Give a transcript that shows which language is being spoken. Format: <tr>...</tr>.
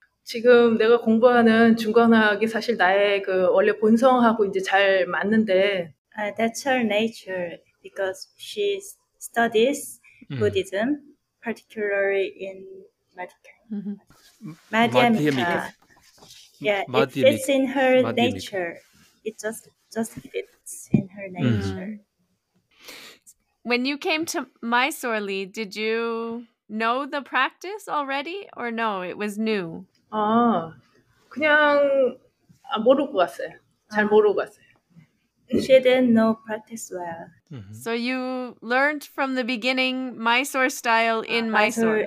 <ko>지금 내가 공부하는 중간학이 사실 나의 그 원래 본성하고 이제 잘 맞는데.</ko> <en>That's her nature because she studies Buddhism, particularly in Madhyamika. Madhyamika. It fits in her nature. It just fits in her nature. When you came to Mysore, Lee, did you know the practice already or no? It was new.</en> <ko>아, 그냥 아, 모르고 갔어요. 잘 모르고 갔어요.</ko> <en>She didn't know practice well. So you learned from the beginning Mysore style in Mysore.</en>